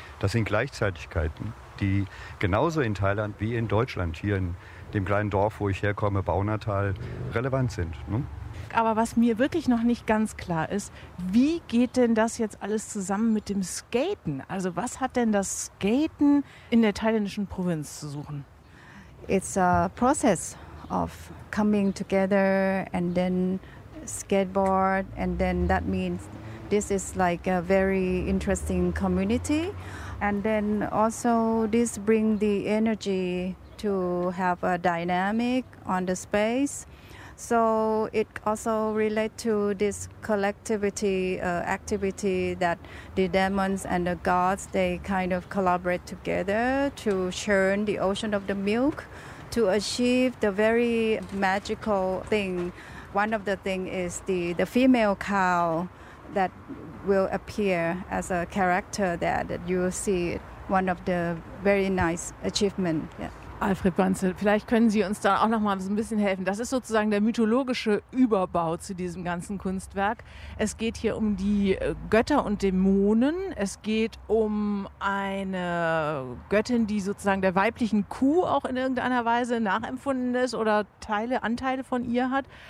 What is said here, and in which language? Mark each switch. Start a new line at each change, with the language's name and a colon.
German: Das sind Gleichzeitigkeiten, die genauso in Thailand wie in Deutschland, hier in dem kleinen Dorf, wo ich herkomme, Baunatal, relevant sind. Ne? Aber was mir wirklich noch nicht ganz klar ist, wie geht denn das jetzt alles zusammen mit dem Skaten? Also was hat denn das Skaten in der thailändischen Provinz zu suchen?
English: It's a process of coming together and then skateboard and then that means this is like a very interesting community and then also this bring the energy to have a dynamic on the space. So it also relate to this collectivity activity that the demons and the gods, they kind of collaborate together to churn the ocean of the milk to achieve the very magical thing. One of the thing is the female cow that will appear as a character there that you will see one of the very nice achievement. Yeah.
German: Alfred Banzel, vielleicht können Sie uns da auch noch mal so ein bisschen helfen. Das ist sozusagen der mythologische Überbau zu diesem ganzen Kunstwerk. Es geht hier um die Götter und Dämonen. Es geht um eine Göttin, die sozusagen der weiblichen Kuh auch in irgendeiner Weise nachempfunden ist oder Anteile von ihr hat.